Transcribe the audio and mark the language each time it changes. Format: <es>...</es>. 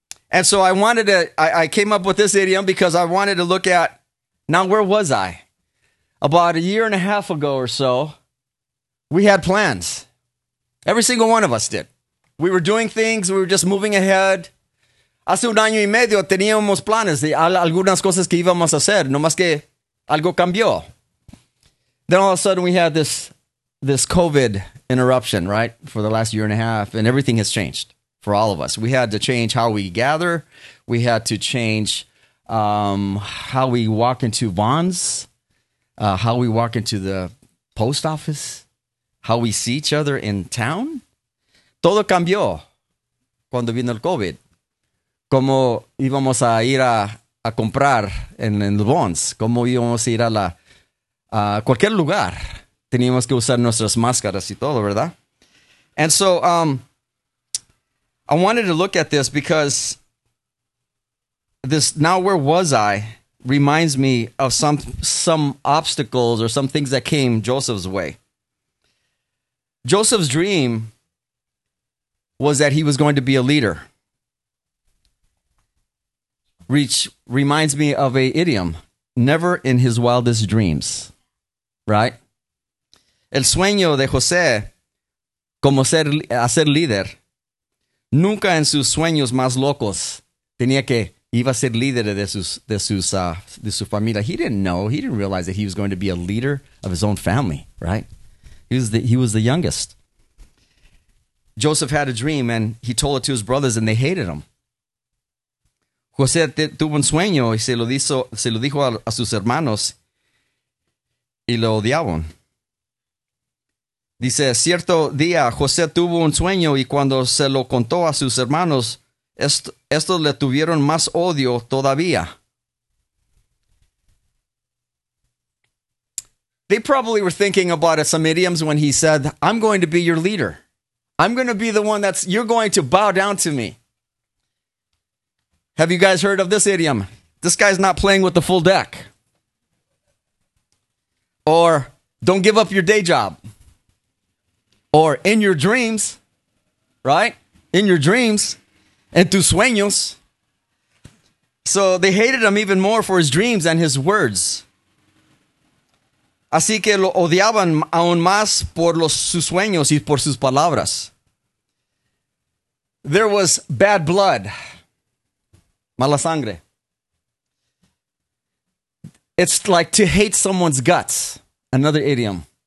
<en>And so I wanted to, I came up with this idiom because I wanted to look at, now, where was I? About a year and a half ago or so, we had plans. Every single one of us did. We were doing things. We were just moving ahead.</en> <es>Hace un año y medio teníamos planes de algunas cosas que íbamos a hacer. No más que algo cambió.</es> <en>Then all of a sudden, we had this COVID interruption, right? For the last year and a half. And everything has changed for all of us. We had to change how we gather. We had to change how we walk into bonds, how we walk into the post office, how we see each other in town.</en> <es>Todo cambió cuando vino el COVID. Cómo íbamos a ir a comprar en los bonds, cómo íbamos a ir a la a cualquier lugar. Teníamos que usar nuestras máscaras y todo, ¿verdad?</es> <en>And so I wanted to look at this because this now where was I reminds me of some obstacles or some things that came Joseph's way. Joseph's dream was that he was going to be a leader. Which reminds me of a idiom, never in his wildest dreams, right?</en> <es>El sueño de José, como ser hacer líder, nunca en sus sueños más locos tenía que iba a ser líder de su familia.</es> <en>He didn't know, he didn't realize that he was going to be a leader of his own family, right? He was the youngest. Joseph had a dream and he told it to his brothers and they hated him.</en> <es>José tuvo un sueño y se lo dijo a sus hermanos y lo odiaban. Dice, cierto día José tuvo un sueño y cuando se lo contó a sus hermanos, estos le tuvieron más odio todavía.</es> <en>They probably were thinking about it, some idioms when he said, I'm going to be your leader. I'm going to be the one that's, you're going to bow down to me. Have you guys heard of this idiom? This guy's not playing with the full deck. Or, don't give up your day job. Or, in your dreams, right? In your dreams,</en> <es>en tus sueños.</es> <en>So, they hated him even more for his dreams and his words.</en> <es>Así que lo odiaban aún más por sus sueños y por sus palabras.</es> <en>There was bad blood.</en> <es>Mala sangre.</es> <en>It's like to hate someone's guts. Another idiom.</en>